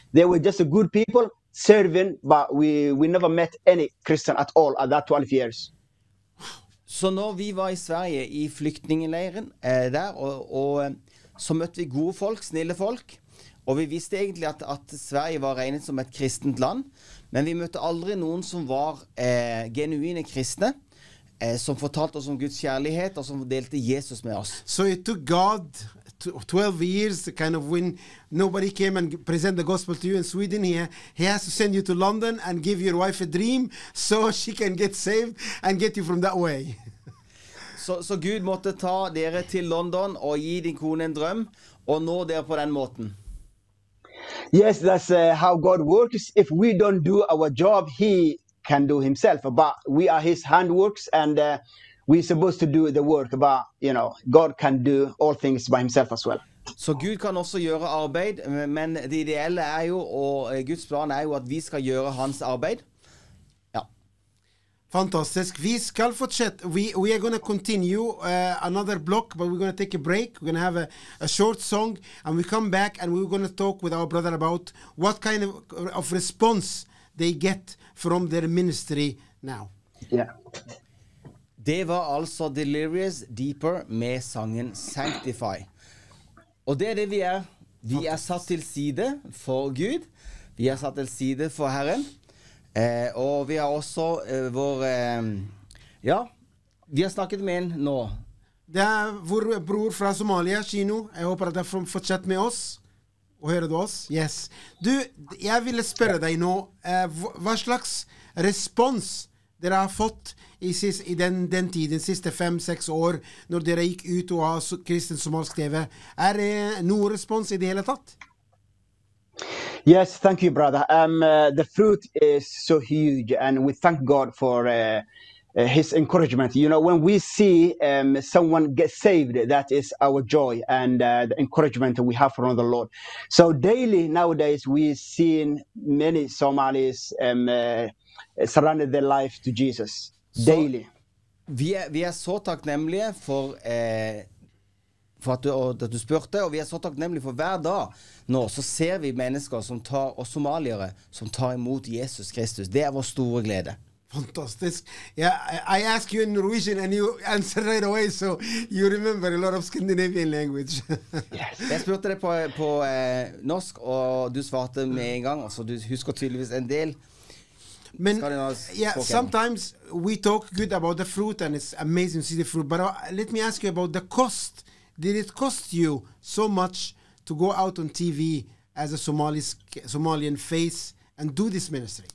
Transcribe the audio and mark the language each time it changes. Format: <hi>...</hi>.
<en>They were just good people serving, but we never met any Christian at all at that 12 years.</en> <no>Så når vi var i Sverige i flyktningeleiren der, og så møtte vi gode folk, snille folk, og vi visste egentlig at Sverige var regnet som et kristent land, men vi møtte aldri noen som var genuine kristne, som fortalte oss om Guds kjærlighet, og som delte Jesus med oss. Så det tok Gud 12 år,</no> <en>kind of, when nobody came and presented the gospel to you in Sweden. He has to send you to London and give your wife a dream so she can get saved and get you from that way.</en> <no>Så Gud måtte ta dere til London og gi din kone en drøm og nå dere på den måten.</no> <en>Yes, that's how God works. If we don't do our job, he can do himself. But we are his handworks, and we're supposed to do the work, but, you know, God can do all things by himself as well.</en> <no>Så Gud kan også gjøre arbeid, men det ideelle er jo, og Guds plan er jo at vi skal gjøre hans arbeid. Ja. Fantastisk. Vi skal fortsette.</no> <en>We are going to continue another block, but we're going to take a break. We're going to have a short song, and we come back, and we're going to talk with our brother about what kind of response they get from their ministry now. Yeah.</en> <no>Det var altså Delirious Deeper med sangen Sanctify. Og det er det vi er. Vi er satt til side for Gud. Vi er satt til side for Herren. Og vi har også vår... ja, vi har snakket med en nå. Det er vår bror fra Somalia, Kino. Jeg håper at du har fortsatt med oss. Og hører du oss? Yes. Du, jeg ville spørre deg nå. Hva slags respons dere har fått i den tiden, siste 5-6 år, når dere gikk ut og har kristen somalsk TV, er det noen respons i det hele tatt?</no> <en>Yes, thank you, brother. The fruit is so huge, and we thank God for his encouragement. You know, when we see someone get saved, that is our joy and the encouragement we have from the Lord. So daily nowadays, we've seen many Somalis surrender their life to Jesus, so daily.</en> <no>Vi er så takknemlige for, for at du spurte, og vi er så takknemlige for hver dag nå, så ser vi mennesker som tar, og somaliere, som tar imot Jesus Kristus. Det er vår store glede. Fantastisk.</no> <en>Yeah, I ask you in Norwegian and you answer right away, so you remember a lot of Scandinavian language.</en> <no>Jeg spurte deg på norsk, og du svarte med en gang, så du husker tydeligvis en del.</no> <en>Men yeah, sometimes we talk good about the fruit and it's amazing to see the fruit. But let me ask you about the cost. Did it cost you so much to go out on TV as a Somalian face and do this ministry?</en>